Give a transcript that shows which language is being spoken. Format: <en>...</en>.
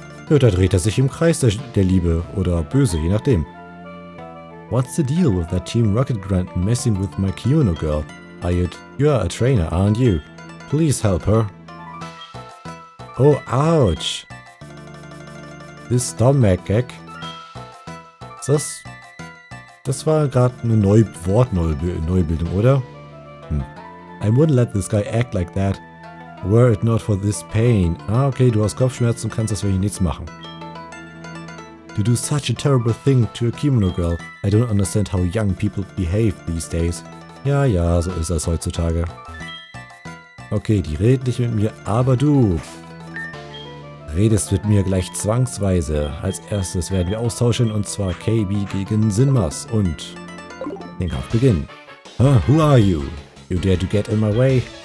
<de>Ja, da dreht er sich im Kreis der Liebe oder Böse, je nachdem.</de> <en>What's the deal with that Team Rocket Grunt messing with my Kyono girl? You're a trainer, aren't you? Please help her. Oh, ouch! This stomach gag.</en> <de>Das war gerade eine Wortneubildung, oder?</de> <en>I wouldn't let this guy act like that. Were it not for this pain.</en> <de>Ah, okay, du hast Kopfschmerzen und kannst deswegen nichts machen.</de> <en>To do such a terrible thing to a Kimono girl. I don't understand how young people behave these days.</en> <de>Ja, ja, so ist das heutzutage. Okay, die redet nicht mit mir, aber du redest mit mir gleich zwangsweise. Als erstes werden wir austauschen, und zwar KB gegen Sinmas. Und den Kampf beginnen.</de> <en>Huh, who are you? You dare to get in my way?</en>